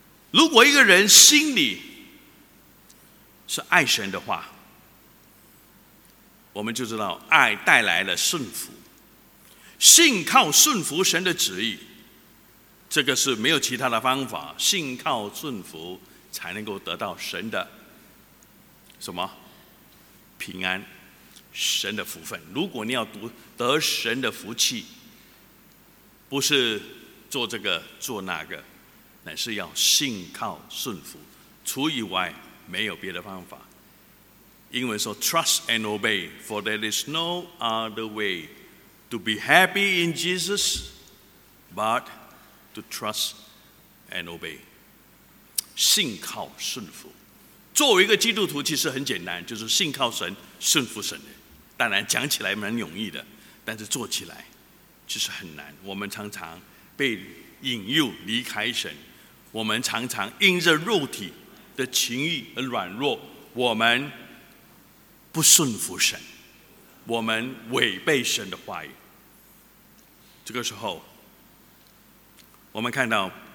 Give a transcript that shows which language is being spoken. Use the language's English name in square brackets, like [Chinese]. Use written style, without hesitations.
[Chinese] 如果一个人心里是爱神的话，我们就知道爱带来了顺服，信靠顺服神的旨意，这个是没有其他的方法，信靠顺服才能够得到神的什么平安，神的福分。如果你要得神的福气，不是做这个做那个，乃是要信靠顺服，除以外没有别的方法。英文说 [English] Trust and obey, for there is no other way to be happy in Jesus but to trust and obey, [Chinese] 信靠顺服。作为一个基督徒其实很简单，就是信靠神顺服神。当然讲起来蛮容易的，但是做起来其实很难。我们常常被引诱离开神，我们常常因着肉体的情欲而软弱，我们不顺服神，我们违背神的话语。这个时候我们看到